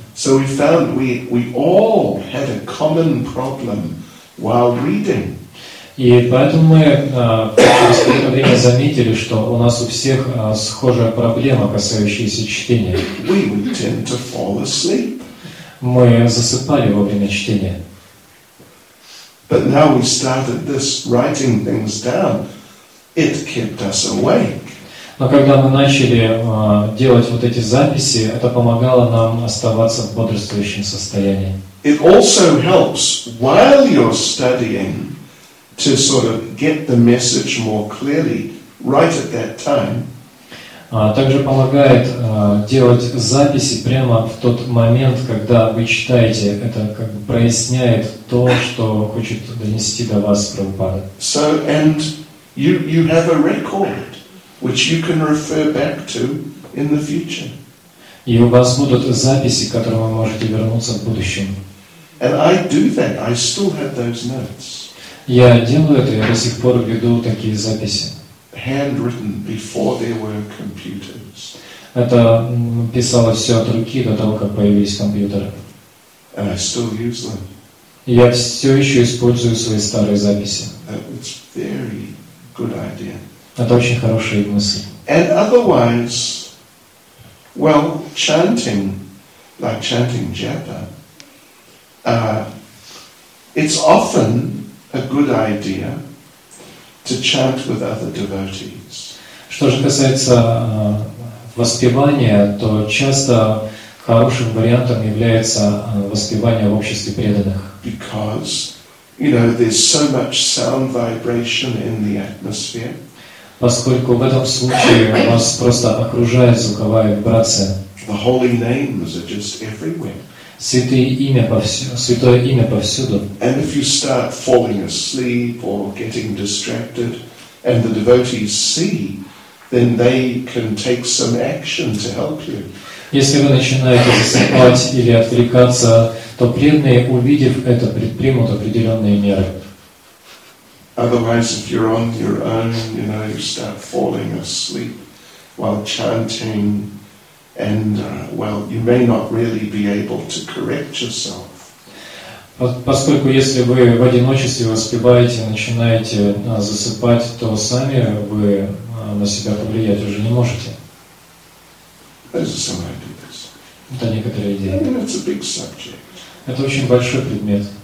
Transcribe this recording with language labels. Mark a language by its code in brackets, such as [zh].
[en] So we found we all had a common problem while reading. [ru] И поэтому мы через какое-то время заметили, что у нас у всех схожая проблема, касающаяся чтения. [en] We would tend to fall asleep. [ru] Мы засыпали во время чтения. [en] But now we started this writing things down. It kept us awake. [ru] Но когда мы начали делать вот эти записи, это помогало нам оставаться в бодрствующем состоянии. [en] It also helps while you're studying to sort of get the message more clearly right at that time. [ru] Также помогает делать записи прямо в тот момент, когда вы читаете. Это как бы проясняет то, что хочет донести до вас Прабхупада. [en] So, and you have a record, which you can refer back to in the future. [ru] И у вас будут записи, к которым вы можете вернуться в будущем. [en] And I do that. I still have those notes. [ru] Я делаю это, я до сих пор веду такие записи. [en] Handwritten before there were computers. [ru] Это писалось все от руки до того, как появились компьютеры. [en] And I still use them. [ru] Я все еще использую свои старые записи. [en] It's very good idea. [ru] Это очень хорошая мысль. [en] And otherwise, well, chanting, like chanting japa, it's often a good idea. To chant with other devotees. [ru] Что же касается воспевания, то часто хорошим вариантом является воспевание в обществе преданных. [en] Because, you know, there's so much sound vibration in the atmosphere. [ru] Поскольку в этом случае у нас просто окружает звуковая вибрация. [en] The holy names are just everywhere. [ru] Святое имя повсюду. [en] And if you start falling asleep or getting distracted, and the devotees see, then they can take some action to help you. [ru] Если вы начинаете засыпать или отвлекаться, то преданные, увидев это, предпримут определенные меры. [en] Otherwise, if you're on your own, you know, you start falling asleep while chanting, and well, you may not really be able to correct yourself. [ru] Поскольку если вы в одиночестве воспеваете, начинаете засыпать, то сами вы на себя повлиять уже не можете. [en] Those are some ideas. [ru] Это некоторые идеи. [en] I mean, it's a big subject. [ru] Это очень большой предмет.